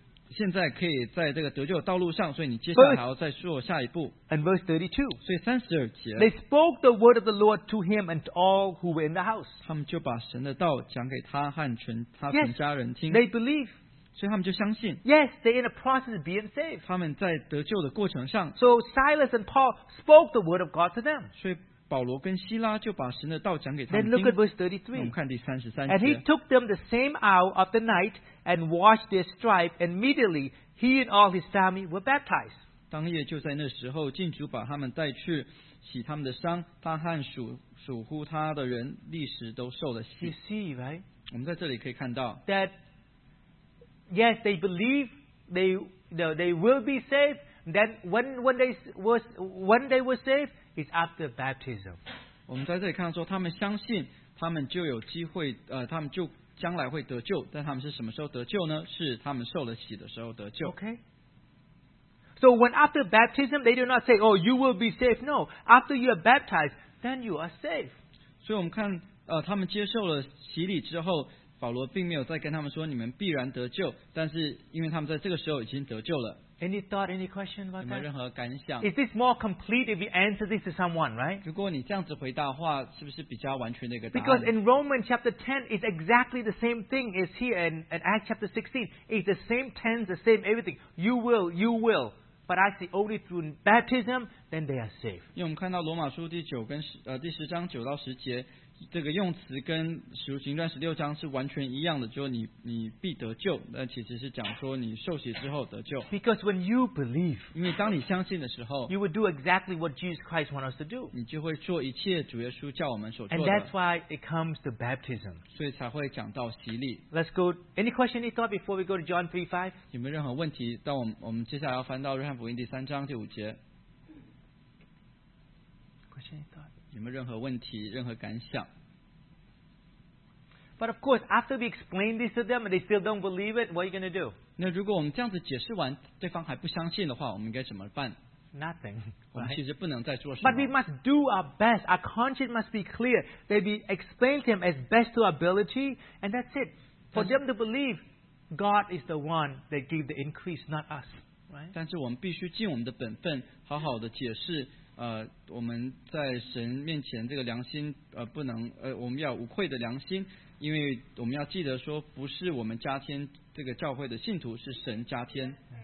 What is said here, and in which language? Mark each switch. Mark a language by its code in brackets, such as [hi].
[zh] 现在可以在这个得救的道路上，所以你接下来还要再做下一步。 [en] And verse 32. [zh] 所以三十二节。 [en] They spoke the word of the Lord to him and to all who were in the house. [zh] 他们就把神的道讲给他和全他全家人听。 [en] Yes, they believe. [zh] 所以他们就相信。 [en] Yes, they in a process of being saved. [zh] 他们在得救的过程上。 [en] So Silas and Paul spoke the word of God to them. [zh] 所以保罗跟希拉就把神的道讲给他们听。 [en] Then look at verse 33. [zh] 我们看第三十三节。 [en] And he took them the same hour of the night. And washed their stripes, and immediately he and all his family were baptized. [zh] 当夜就在那时候，进主把他们带去洗他们的伤，他和属乎他的人立时都受了洗。 [en] You see, right? [zh] 我们在这里可以看到 [en] that yes, they believe they will be saved. Then when they were saved, it's after baptism. [zh] 我们在这里看到说，他们相信，他们就有机会，他们就。将来会得救，但他们是什么时候得救呢？是他们受了洗的时候得救。 [en] Okay. So when after baptism, they do not say, "Oh, you will be saved." No, after you are baptized, then you are saved. [zh] 所以我们看，他们接受了洗礼之后，保罗并没有再跟他们说你们必然得救，但是因为他们在这个时候已经得救了。 [en] Any thought, any question about that? [zh] 有没有任何感想？ [en] Is this more complete if you answer this to someone, right? [zh] 如果你这样子回答的话，是不是比较完全的一个答案？ [en] Because in Romans chapter 10, it's exactly the same thing as here in Acts chapter 16. It's the same tense, the same everything. You will. But I see only through baptism, then they are saved. [zh] 因为我们看到罗马书第九跟第十章九到十节，这个用词跟使徒行传十六章是完全一样的，就你必得救，那其实是讲说你受洗之后得救。 [en] Because when you believe, [zh] 因为当你相信的时候 [en] ，you will do exactly what Jesus Christ wants us to do. [zh] 你就会做一切主耶稣叫我们所做的。 [en] And that's why it comes to baptism. [zh] 所以才会讲到洗礼。 [en] Let's go. Any question, any thought before we go to John 3:5? [zh] 有没有任何问题？到我们接下来要翻到约翰福音第三章第五节。有没有任何问题？任何感想？ [en] But of course, after we explain this to them and they still don't believe it, what are you going to do? [zh] 那如果我们这样子解释完，对方还不相信的话，我们应该怎么办？ [en] Nothing. [zh] 我们其实不能再做什么。 [en] But we must do our best. Our conscience must be clear. They be explained to him as best to ability, and that's it. For them to believe, God is the one that gave the increase, not us. Right? [zh] 但是我们必须尽我们的本分，好好的解释。我们在神面前这个良心不能我们要无愧的良心，因为我们要记得说不是我们加添这个教会的信徒，是神加添。